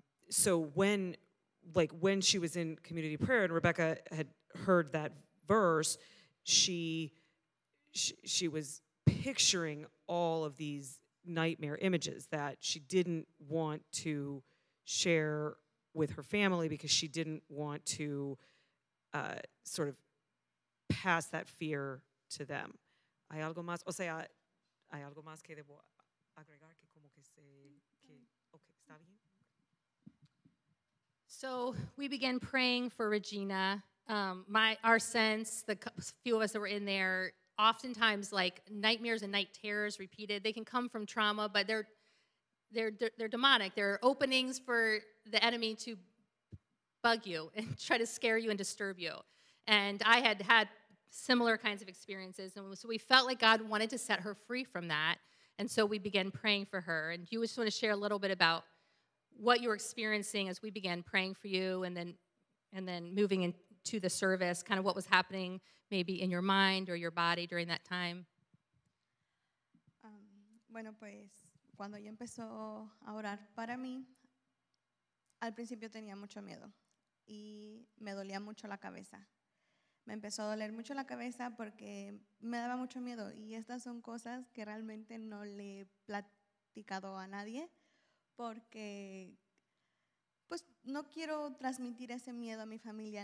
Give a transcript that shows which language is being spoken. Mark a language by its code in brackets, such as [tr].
[en] So when she was in community prayer and Rebecca had heard that verse, she was picturing all of these nightmare images that she didn't want to share with her family because she didn't want to sort of pass that fear to them. [es] Hay algo más, o sea, hay algo más que debo agregar que como que se que okay, está bien. [en] So we began praying for Regina. The few of us that were in there, oftentimes like nightmares and night terrors repeated. They can come from trauma, but they're demonic. They're openings for the enemy to bug you and try to scare you and disturb you. And I had had similar kinds of experiences. And so we felt like God wanted to set her free from that. And so we began praying for her. And you just want to share a little bit about what you were experiencing as we began praying for you and then moving into the service, kind of what was happening maybe in your mind or your body during that time. [es] Bueno, pues, cuando ella empezó a orar para mí, al principio tenía mucho miedo y me dolía mucho la cabeza. Me empezó a doler mucho la cabeza porque me daba mucho miedo. Y estas son cosas que realmente no le he platicado a nadie porque pues no quiero transmitir ese miedo a mi familia.